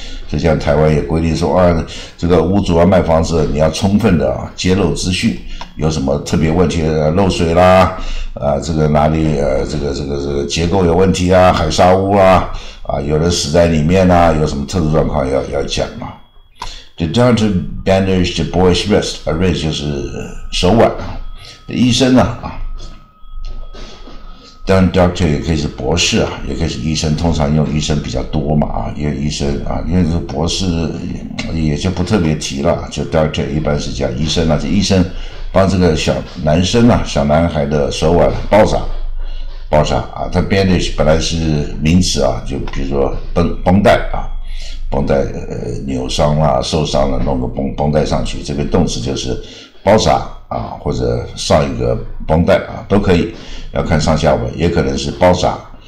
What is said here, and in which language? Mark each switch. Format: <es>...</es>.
<zh>就像台湾也规定说啊，这个屋主要卖房子，你要充分的、啊、揭露资讯，有什么特别问题，漏水啦，啊，这个哪里这个结构有问题啊，海砂屋啦、啊，啊，有人死在里面啦、啊，有什么特殊状况要讲嘛、啊。</zh> <en>The doctor bandaged the boy's wrist.</en> <zh>A wrist 就是手腕啊。医生呢啊，但 doctor 也可以是博士啊，也可以是医生，通常用医生比较多嘛啊，因为医生啊，因为这博士也就不特别提了，就 doctor 一般是叫医生啊，这医生帮这个小男生啊，小男孩的手腕包扎啊，他 bandage 本来是名词啊，就比如说绷带啊，绷带扭伤啦、啊、受伤了，弄个绷带上去，这个动词就是包扎啊，或者上一个绷带啊，都可以。要看上下文，也可能是包扎，</zh>